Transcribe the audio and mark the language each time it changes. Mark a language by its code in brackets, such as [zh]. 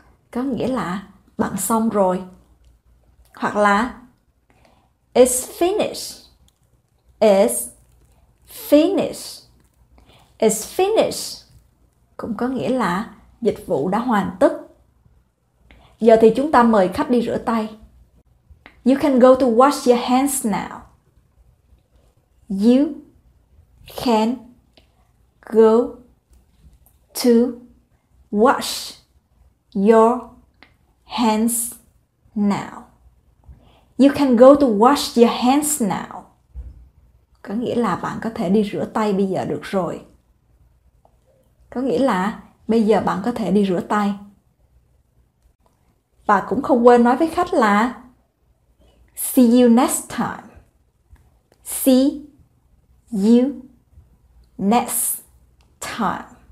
[vi] Có nghĩa là bạn xong rồi. Hoặc là [en] it's finished. It's finished. It's finished. [vi] Cũng có nghĩa là dịch vụ đã hoàn tất. Giờ thì chúng ta mời khách đi rửa tay. [en] You can go to wash your hands now. You can go to wash your hands now. You can go to wash your hands now. [vi] Có nghĩa là bạn có thể đi rửa tay bây giờ được rồi. Có nghĩa là bây giờ bạn có thể đi rửa tay. Và cũng không quên nói với khách là [en] see you next time. See you next time.